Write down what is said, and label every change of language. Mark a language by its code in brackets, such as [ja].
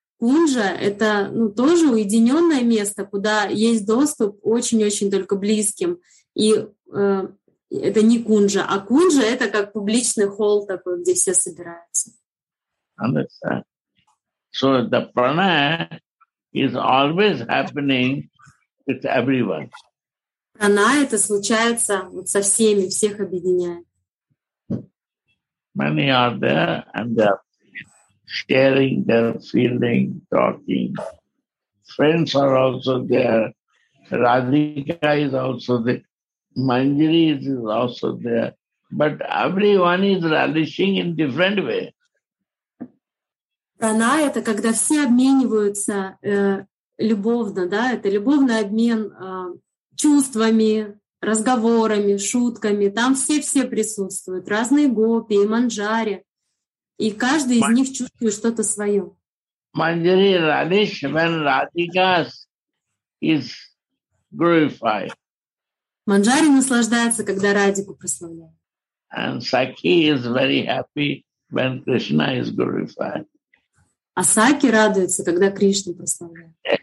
[ru] Кунжа – это тоже уединенное место, куда есть доступ очень-очень только близким. И это не Кунжа. А Кунжа – это как публичный холл такой, где все собираются. [en] Understand. So the pranaya is always happening with everyone. [ru] Она это случается вот со всеми, всех объединяет. [en] Many are there and they are sharing their feeling, talking. Friends are also there. Radhika is also there. Manjari is also there. But everyone is relishing in different way. [ru] Она это когда все обмениваются любовно, да? Это любовный обмен. Чувствами, разговорами, шутками. Там все-все присутствуют. Разные гопи и манджари. И каждый из них чувствует что-то свое. [en] Манджари relish when Radhika is glorified. [ru] Манджари наслаждается, когда Радику прославляют. [en] And Sakhi is very happy when Krishna is glorified. [ru] А Сакхи радуется, когда Кришну прославляют.